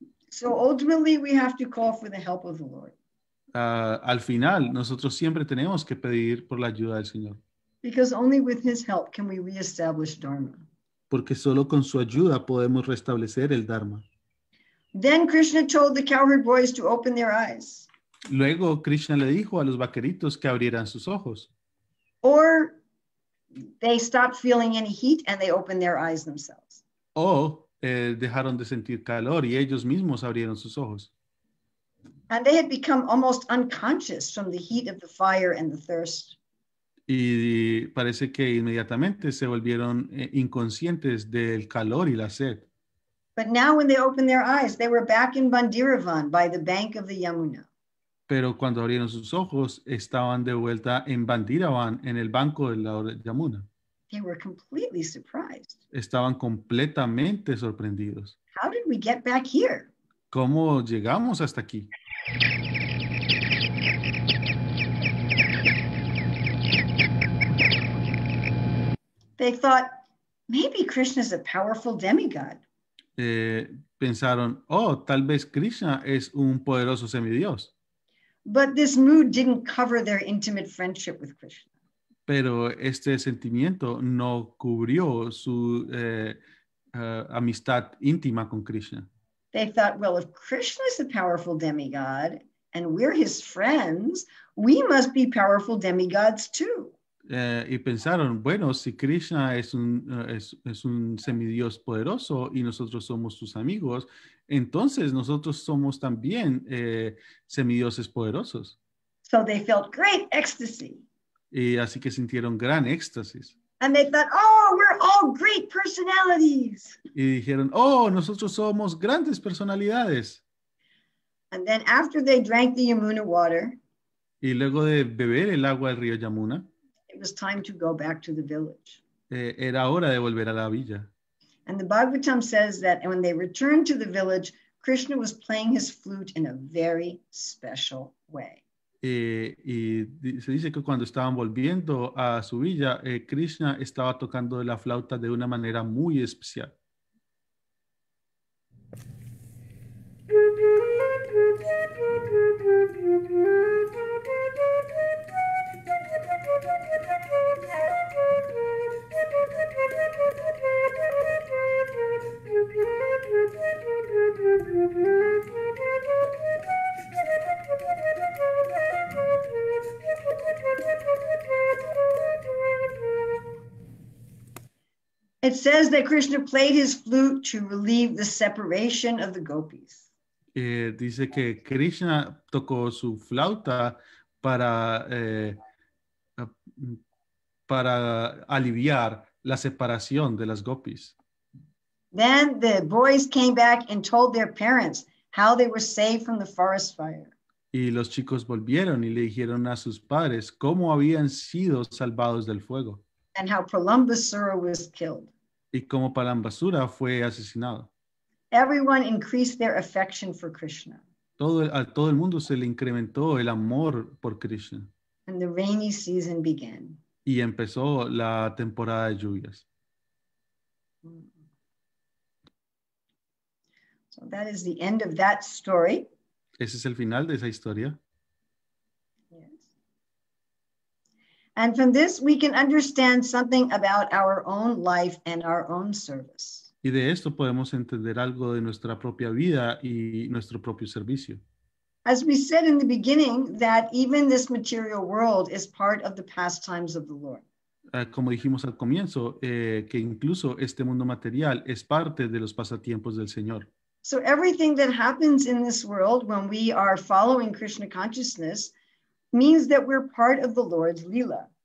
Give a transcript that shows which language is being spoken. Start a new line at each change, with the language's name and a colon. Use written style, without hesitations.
English: So ultimately we have to call for the help of the Lord.
Spanish: Al final, nosotros siempre tenemos que pedir por la ayuda del Señor.
English: Because only with his help can we reestablish Dharma.
Spanish: Porque solo con su ayuda podemos restablecer el Dharma.
English: Then Krishna told the cowherd boys to open their eyes.
Spanish: Luego Krishna le dijo a los vaqueritos que abrieran sus ojos.
English: Or they stopped feeling any heat and they opened their eyes themselves.
Spanish: O dejaron de sentir calor y ellos mismos abrieron sus ojos.
English: And they had become almost unconscious from the heat of the fire and the thirst.
Spanish: Y parece que inmediatamente se volvieron inconscientes del calor y la sed.
English: But now when they opened their eyes, they were back in Bandiravan by the bank of the Yamuna.
Spanish: Pero cuando abrieron sus ojos, estaban de vuelta en Bandiravan, en el banco de la Yamuna.
English: They were completely surprised.
Spanish: Estaban completamente sorprendidos.
English: How did we get back here?
Spanish: ¿Cómo llegamos hasta aquí?
English: They thought, maybe Krishna is a powerful demigod.
Spanish: Pensaron, oh, tal vez Krishna es un poderoso semidios.
English: But this mood didn't cover their intimate friendship with Krishna.
Spanish: Pero este sentimiento no cubrió su amistad íntima con Krishna.
English: They thought, well, if Krishna is a powerful demigod and we're his friends, we must be powerful demigods too.
Spanish: Y pensaron, bueno, si Krishna es un semidios poderoso y nosotros somos sus amigos, entonces nosotros somos también semidioses poderosos.
English: So they felt great ecstasy.
Spanish: Y así que sintieron gran éxtasis.
English: And they thought, oh, we're all great personalities.
Spanish: Y dijeron, oh, nosotros somos grandes personalidades.
English: And then after they drank the Yamuna water,
Spanish: y luego de beber el agua del río Yamuna,
English: it was time to go back to the village.
Spanish: Era hora de volver a la villa.
English: And the Bhagavatam says that when they returned to the village, Krishna was playing his flute in a very special way.
Spanish: Y se dice que cuando estaban volviendo a su villa, Krishna estaba tocando la flauta de una manera muy especial.
English: It says that Krishna played his flute to relieve the separation of the gopis.
Spanish: Dice que Krishna tocó su flauta para aliviar la separación de las gopis.
English: Then the boys came back and told their parents how they were saved from the forest fire.
Spanish: Y los chicos volvieron y le dijeron a sus padres cómo habían sido salvados del fuego.
English: And how Pralambasura was killed.
Spanish: Y cómo Pralambasura fue asesinado.
English: Everyone increased their affection for Krishna.
Spanish: Todo el mundo se le incrementó el amor por Krishna.
English: And the rainy season began.
Spanish: Y empezó la temporada de lluvias.
English: So that is the end of that story.
Spanish: Ese es el final de esa historia.
English: Yes. And from this we can understand something about our own life and our own service.
Spanish: Y de esto podemos entender algo de nuestra propia vida y nuestro propio servicio.
English: As we said in the beginning, that even this material world is part of the pastimes of the Lord.
Spanish: Como dijimos al comienzo, que incluso este mundo material es parte de los pasatiempos del Señor.
English: So everything that happens in this world when we are following Krishna consciousness means that we're part of the Lord's Leela.